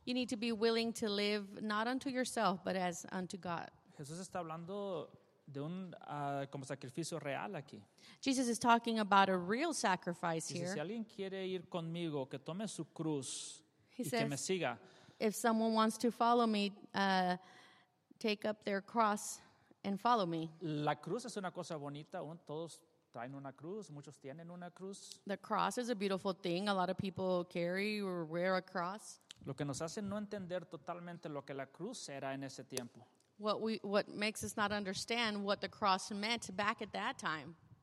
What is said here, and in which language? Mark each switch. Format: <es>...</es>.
<en>You need to be willing to live not unto yourself, but as unto God.</en> <es>Jesús está hablando de un como sacrificio real aquí.</es> <en>Jesus is talking about a real sacrifice here.</en> <es>Si alguien quiere ir conmigo, que tome su cruz y que me siga.</es> <en>If someone wants to follow me, take up their cross and follow me.</en> <es>La cruz es una cosa bonita, todos traen una cruz, muchos tienen una cruz.</es> <en>The cross is a beautiful thing. A lot of people carry or wear a cross.</en> <es>Lo que nos hace no entender totalmente lo que la cruz era en ese tiempo.</es> <en>What makes us not understand what the cross meant back at that time.</en>